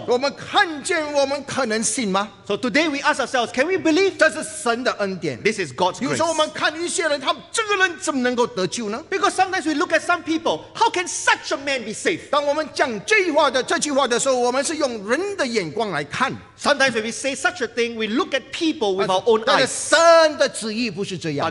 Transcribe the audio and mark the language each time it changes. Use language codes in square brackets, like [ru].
[zh] 我们看见我们可能信吗? [en] So So today we ask ourselves, can we believe? [zh] 这是神的恩典。 [en] This is God's grace. [zh] 有时候我们看一些人，他们这个人怎么能够得救呢？ [en] Because sometimes we look at some people, how can such a man be saved? [zh] 当我们讲这句话的时候，我们是用人的眼光来看。 [en] Sometimes when we say such a thing, we look at people with our own eyes. [zh] 但是神的旨意不是这样。